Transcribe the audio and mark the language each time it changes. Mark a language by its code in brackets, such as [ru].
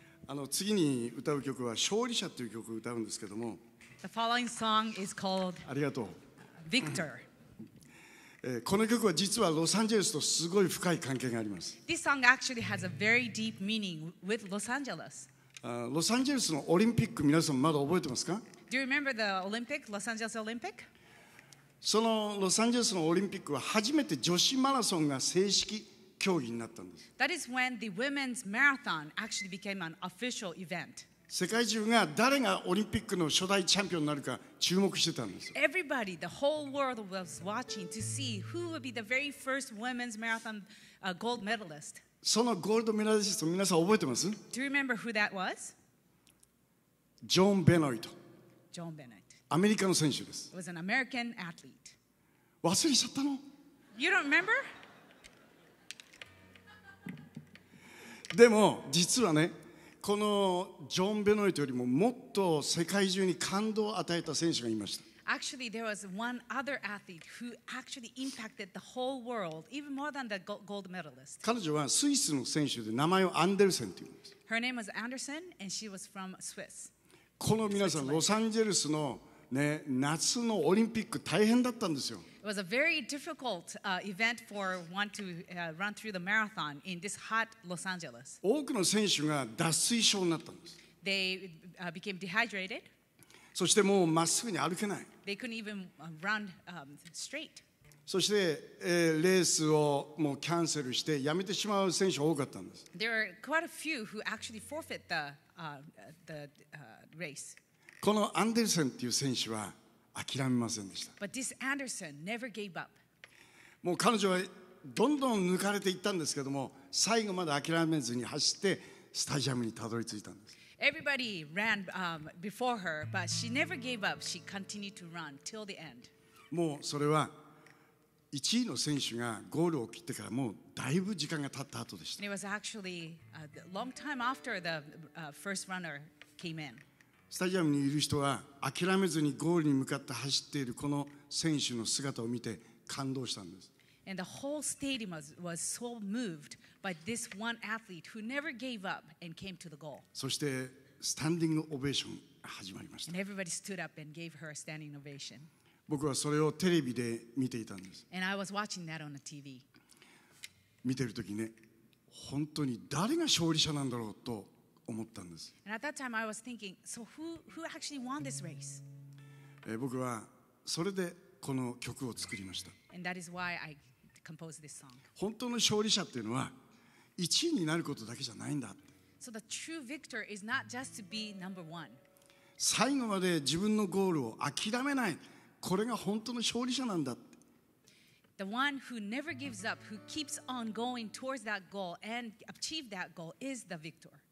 [ja] あの次に歌う曲は勝利者という曲を歌うんですけども [en] The following song is called [ja] ありがとう [en] Victor [ja] この曲は実はロサンゼルスとすごい深い関係があります [en] This song actually has a very deep meaning with Los Angeles [ja] ロサンゼルスのオリンピック皆さんまだ覚えてますか [en] Do you remember the Olympic? Los Angeles Olympic? [ja] そのロサンゼルスのオリンピックは初めて女子マラソンが正式競技になったんです。 [en] That is when the women's marathon actually became an official event. [ja] 世界中が誰がオリンピックの初代チャンピオンになるか注目してたんです。 [en] Everybody, the whole world was watching to see who would be the very first women's marathon gold medalist. [ja] そのゴールドメダリスト皆さん覚えてます? [en] Do you remember who that was? [ja] John Benoit. アメリカの選手です。 [en] It was an American athlete. [ja] 忘れちゃったの? [en] You don't remember? [ja] でも実はねこのジョン・ベノイトよりももっと世界中に感動を与えた選手がいました [en] Actually, there was one other athlete who actually impacted the whole world, even more than the gold medalist. [ja] 彼女はスイスの選手で名前をアンデルセンと言うんです [en] Her name was Anderson and she was from Swiss. [ja] この皆さんロサンゼルスの、ね、夏のオリンピック大変だったんですよ [en] It was a very difficult event for one to run through the marathon in this hot Los Angeles. [ja] 多くの選手が脱水症になったんです。 [en] They became dehydrated. [ja] そしてもうまっすぐに歩けない。 [en] They couldn't even run straight. [ja] そして、レースをもうキャンセルしてやめてしまう選手が多かったんです。 [en] There were quite a few who actually forfeit the race. [ja] このアンデルセンっていう選手は諦めませんでした。 [en] But this Anderson never gave up. [ja] もう彼女はどんどん抜かれていったんですけども、最後まで諦めずに走ってスタジアムにたどり着いたんです。 [en] Everybody ran before her, but she never gave up. She continued to run till the end. [ja] もうそれは1位の選手がゴールを切ってからもうだいぶ時間が経った後でした。 [en] It was actually a long time after the first runner came in. [ja] スタジアムにいる人は諦めずにゴールに向かって走っているこの選手の姿を見て感動したんです。 [en] And the whole stadium was so moved by this one athlete who never gave up and came to the goal. [ja] そしてスタンディングオベーションが始まりました。 [en] And everybody stood up and gave her a standing ovation. [ja] 僕はそれをテレビで見ていたんです。 [en] And I was watching that on the TV. [ja] 見てるときね、本当に誰が勝利者なんだろうと。思ったんです。 [en] And at that time I was thinking, so who actually won this race? [ja] 僕はそれでこの曲を作りました。 [en] And that is why I composed this song. [ja] 本当の勝利者っていうのは1位になることだけじゃないんだ。 [en] So the true victor is not just to be number one. [ja] 最後まで自分のゴールを諦めない。これが本当の勝利者なんだ。 [en] The one who never gives up, who keeps on going towards that goal and achieve that goal is the victor.